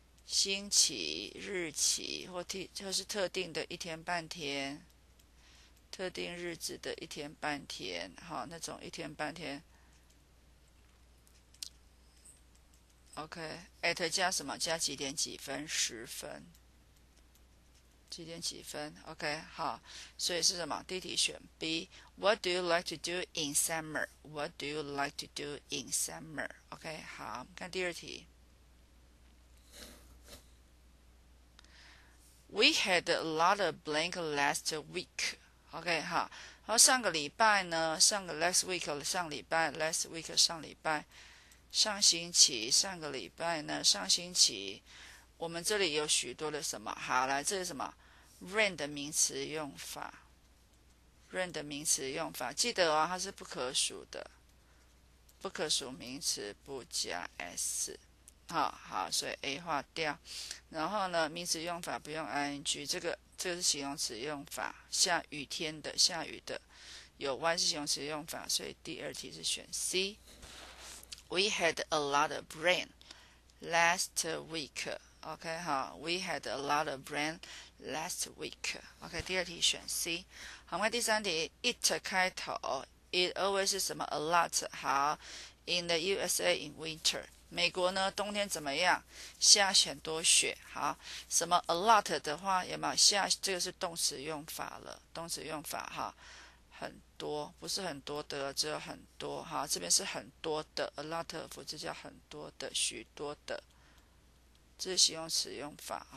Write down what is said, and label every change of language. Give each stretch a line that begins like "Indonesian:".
Chinese: 星期、日期或替，就是特定的一天半天，特定日子的一天半天，好，那种一天半天。 OK，at 加什么？加几点几分？十分？几点几分？OK，好，所以是什么？第一题选 B。
English: What do you like to do in summer? What do you like to do in summer?
Chinese: OK，好，看第二题。
English: We had a lot of blank last week.
Chinese: OK，好，然后上个礼拜呢？上个
English: last week
Chinese: 上礼拜，last week 上礼拜，上星期，上个礼拜呢？上星期，我们这里有许多的什么？好，来，这是什么？rain 的名词用法，rain 的名词用法，记得哦，它是不可数的，不可数名词不加 s。好，所以 A 划掉，然后呢，名词用法不用 ing，这个是形容词用法，下雨天的，下雨的，有 why 是形容词用法，所以第二题是选 C。
English: We had a lot of rain last week. OK，好，We had a lot of rain last week.
Chinese: OK，第二题选 C。好，我们看第三题，it 开头，it always 是什么？a lot 好，
English: in the USA in winter。
Chinese: 美国呢，冬天怎么样？下很多雪。好，什么 a lot 的话有没有下？这个是动词用法了，动词用法哈，很多不是很多的，只有很多哈。这边是很多的
English: a lot of，
Chinese: 这叫很多的，许多的，这是形容词用法。